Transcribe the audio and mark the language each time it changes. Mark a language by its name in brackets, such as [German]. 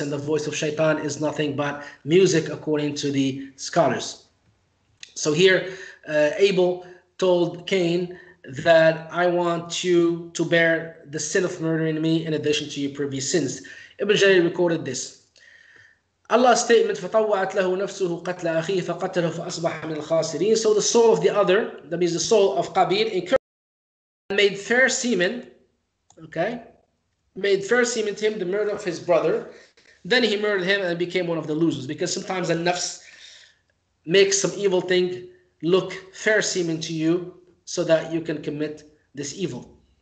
[English] And the voice of Shaitan is nothing but music, according to the scholars. So here, Abel told Cain, that I want you to bear the sin of murdering me in addition to your previous sins. Ibn Jarir recorded this. Allah's statement, [Arabic] فَطَوَّعَتْ لَهُ نَفْسُهُ قَتْلَ أَخِيهِ فَقَتَلَهُ فَأَصْبَحَ مِنَ الْخَاسِرِينَ. [English] So the soul of the other, that means the soul of Qabil, made fair semen to him, the murder of his brother. Then he murdered him and became one of the losers. Because sometimes the nafs makes some evil thing look fair semen to you so that you can commit this evil.